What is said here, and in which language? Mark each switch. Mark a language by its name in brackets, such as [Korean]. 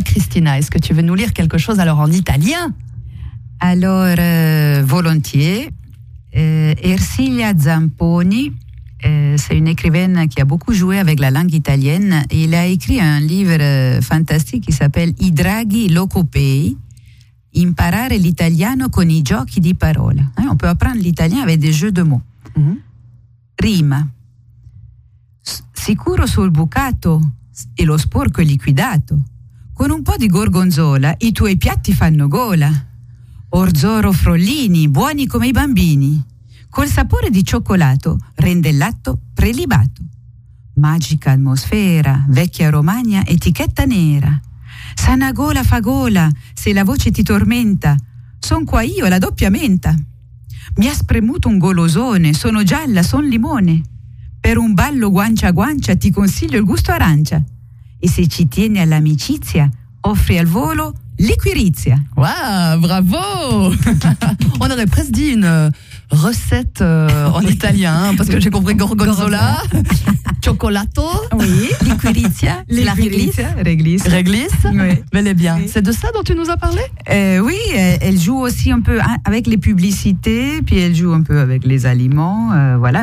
[French] Christina, est-ce que tu veux nous lire quelque chose alors en italien? Alors, volontiers. Ercilia Zamponi, c'est une écrivaine qui a beaucoup joué avec la langue italienne. Il a écrit un livre fantastique qui s'appelle I draghi locopei. [Italian] imparare l'italiano con i giochi di parole. [French] On peut apprendre l'italien avec des jeux de mots. [Italian] Mm-hmm. Rima. Sicuro sul bucato e lo sporco è liquidato. Con un po' di gorgonzola i tuoi piatti fanno gola. Orzoro frollini, buoni come i bambini. Col sapore di cioccolato rende l'atto prelibato. Magica atmosfera, vecchia Romagna, etichetta nera. Sana gola fa gola, se la voce ti tormenta. Son qua io, la doppia menta. Mi ha spremuto un golosone, sono gialla, son limone. Per un ballo guancia a guancia ti consiglio il gusto arancia. E se ci tieni all'amicizia, offri al volo liquirizia. [French] Wow, bravo! On aurait presque dit une recette en italien, hein, parce que j'ai compris gorgonzola, cioccolato, oui. liquirizia, la réglisse. Réglisse, oui. Bel et bien. Oui. C'est de ça dont tu nous as parlé? Oui, elle joue aussi un peu avec les publicités, puis elle joue un peu avec les aliments, voilà.